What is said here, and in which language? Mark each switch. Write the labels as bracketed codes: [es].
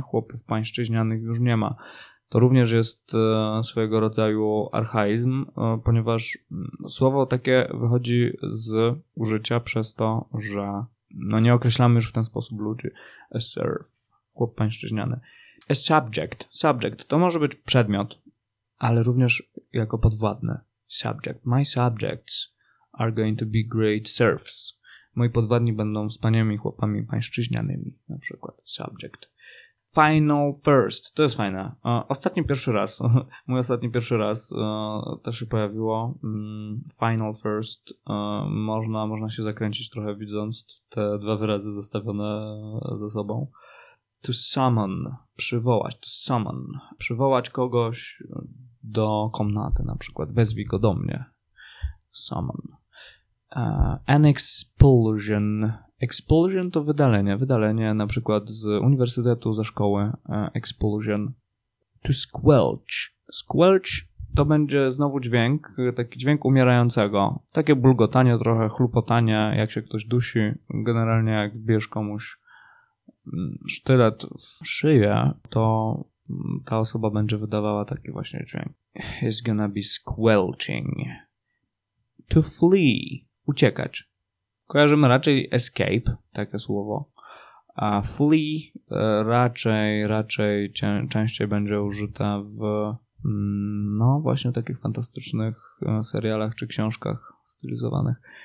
[pl] Chłopów pańszczyźnianych już nie ma. To również jest swojego rodzaju archaizm, ponieważ słowo takie wychodzi z użycia przez to, że no nie określamy już w ten sposób ludzi. [en] A serf, [pl] chłop pańszczyźniany. [en] A subject. [pl] Subject to może być przedmiot, ale również jako podwładny. [en] Subject. My subjects are going to be great serfs. [pl] Moi podwładni będą wspaniałymi chłopami pańszczyźnianymi. Na przykład subject. [en] Final first. [pl] To jest fajne. Ostatni pierwszy raz. Mój ostatni pierwszy raz też się pojawiło. [en] Final first. [pl] Można się zakręcić trochę widząc te dwa wyrazy zostawione ze sobą. [en] To summon. [pl] Przywołać. To summon. Przywołać kogoś do komnaty na przykład. Wezwij go do mnie. Summon. [en] An expulsion. Expulsion [pl] to wydalenie. Wydalenie na przykład z uniwersytetu, ze szkoły. Expulsion. [en] To squelch. [pl] Squelch to będzie znowu dźwięk. Taki dźwięk umierającego. Takie bulgotanie, trochę chlupotanie, jak się ktoś dusi. Generalnie jak wbierz komuś sztylet w szyję, to ta osoba będzie wydawała taki właśnie dźwięk. [en] It's gonna be squelching. To flee. [pl] Uciekać. Kojarzymy raczej escape, takie słowo. A flee raczej częściej będzie użyte w no właśnie takich fantastycznych serialach czy książkach stylizowanych.